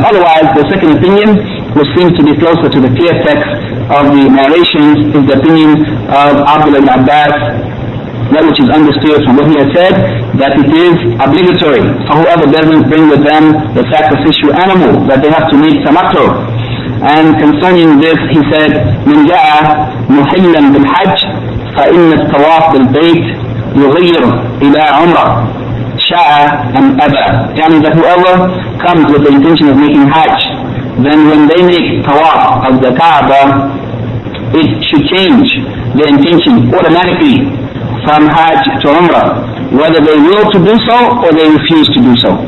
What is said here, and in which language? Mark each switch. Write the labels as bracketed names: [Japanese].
[English] Otherwise, the second opinion, which seems to be closer to the clear text of the narrations, is the opinion of Abdullah ibn Abbas, that which is understood from what he has said, that it is obligatory for whoever doesn't bring with them the sacrificial animal, that they have to meet samato. And concerning this, he said, [Arabic] من جاء محلا بالحج فإن التواف بالبيت يغير إلى عمرة شاء أم أبى. يعني [English] that whoever comes with the intention of making Hajj, then when they make tawaf of the Kaaba, it should change the intention automatically from Hajj to Umrah, whether they will to do so or they refuse to do so.